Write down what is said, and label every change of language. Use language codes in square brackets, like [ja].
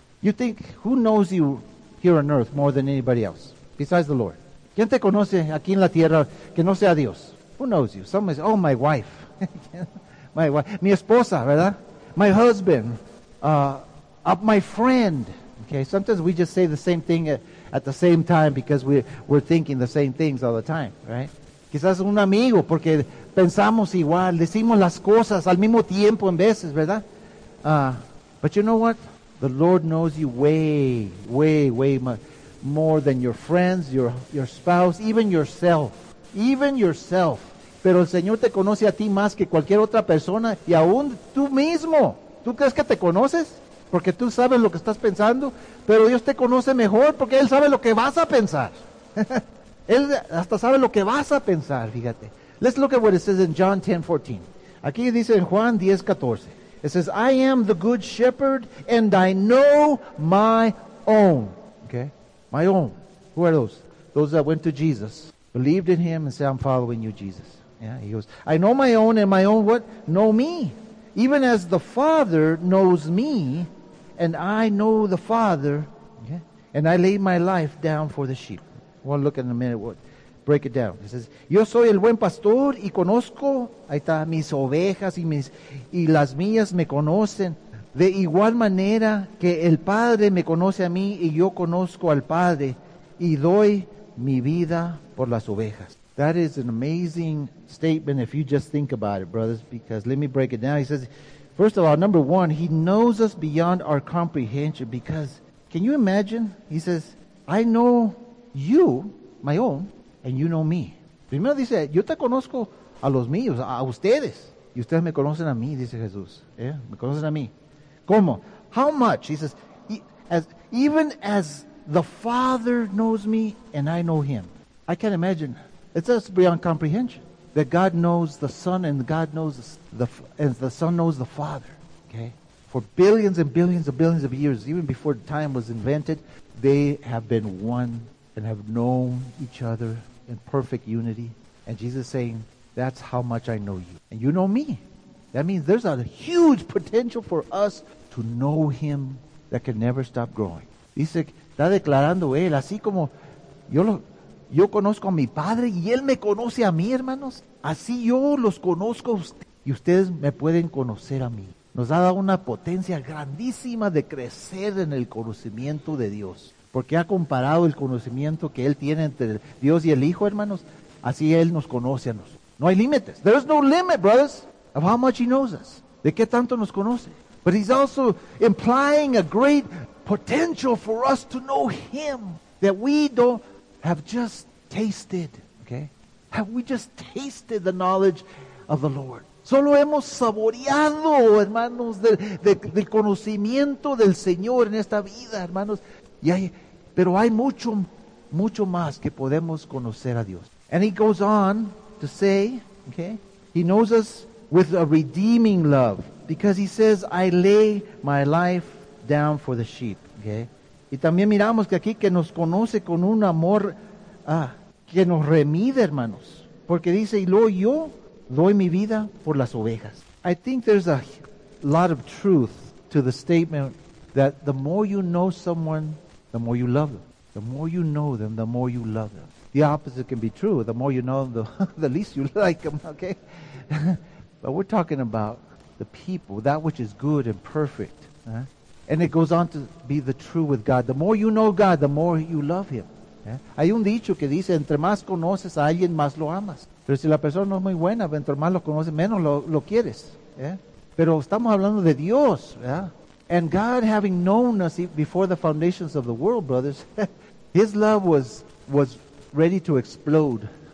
[en] You think, who knows you here on earth more than anybody else, besides the Lord? [es] ¿Quién te conoce aquí en la tierra que no sea Dios? [en] Who knows you? Somebody says, oh, my wife. My wife. [es] Mi esposa, ¿verdad? [en] My husband. My friend. Okay, sometimes we just say the same thing at the same time because we're thinking the same things all the time, right? [es] Quizás un amigo, porque pensamos igual, decimos las cosas al mismo tiempo en veces, ¿verdad? [en] But you know what? The Lord knows you way, way, way more than your friends, your spouse, even yourself. [es] Pero el Señor te conoce a ti más que cualquier otra persona y aún tú mismo. ¿Tú crees que te conoces? Porque tú sabes lo que estás pensando, pero Dios te conoce mejor porque Él sabe lo que vas a pensar. Él hasta sabe lo que vas a pensar, fíjate. [en] Let's look at what it says in John 10:14. [es] Aquí dice en Juan 10:14. [en] It says, I am the good shepherd and I know my own. Okay? My own. Who are those? Those that went to Jesus, believed in Him and said, I'm following you, Jesus. Yeah, He goes, I know my own and my own what? Know me. Even as the Father knows me, and I know the Father, okay, and I lay my life down for the sheep. We'll look in a minute. Break it down. It says, [es] yo soy el buen pastor, y conozco, ahí está, mis ovejas, y las mías me conocen, de igual manera que el Padre me conoce a mí, y yo conozco al Padre, y doy mi vida por las ovejas. [en] That is an amazing statement if you just think about it, brothers, because let me break it down. He says, first of all, number one, He knows us beyond our comprehension because, can you imagine? He says, I know you, my own, and you know me. [es] Primero dice, yo te conozco a los míos, a ustedes. Y ustedes me conocen a mí, dice Jesús. Yeah, me conocen a mí. ¿Cómo? [en] How much? He says, even as the Father knows me and I know Him. I can't imagine. It's just beyond comprehension that God knows the Son and God knows the Son knows the Father. Okay, for billions and billions and billions of years, even before time was invented, they have been one and have known each other in perfect unity. And Jesus is saying, "That's how much I know you, and you know me." That means there's a huge potential for us to know Him that can never stop growing. [es] Dice, está declarando él así como Yo conozco a mi Padre y Él me conoce a mí, hermanos. Así yo los conozco a ustedes. Y ustedes me pueden conocer a mí. Nos ha dado una potencia grandísima de crecer en el conocimiento de Dios. Porque ha comparado el conocimiento que Él tiene entre Dios y el Hijo, hermanos. Así Él nos conoce a nosotros. No hay límites. [en] There is no limit, brothers, of how much He knows us. [es] ¿De qué tanto nos conoce? [en] But He's also implying a great potential for us to know Him. That we don't have just tasted, okay? Have we just tasted the knowledge of the Lord? [es] Solo hemos saboreado, hermanos, del conocimiento del Señor en esta vida, hermanos. Y hay mucho, mucho más que podemos conocer a Dios. [en] And He goes on to say, okay, He knows us with a redeeming love because He says, I lay my life down for the sheep, okay? [es] Y también miramos que aquí que nos conoce con un amor que nos remide, hermanos. Porque dice, y luego yo doy mi vida por las ovejas. [en] I think there's a lot of truth to the statement that the more you know someone, the more you love them. The more you know them, the more you love them. The opposite can be true. The more you know, the least you like them, okay? But we're talking about the people, that which is good and perfect. Huh? And it goes on to be the true with God. The more you know God, the more you love Him. ¿Eh? [es] Hay un dicho que dice, entre más conoces a alguien, más lo amas. Pero si la persona no es muy buena, entre más lo conoces, menos lo quieres. ¿Eh? Pero estamos hablando de Dios. ¿Eh? [en] And God, having known us before the foundations of the world, brothers, His love was ready to explode.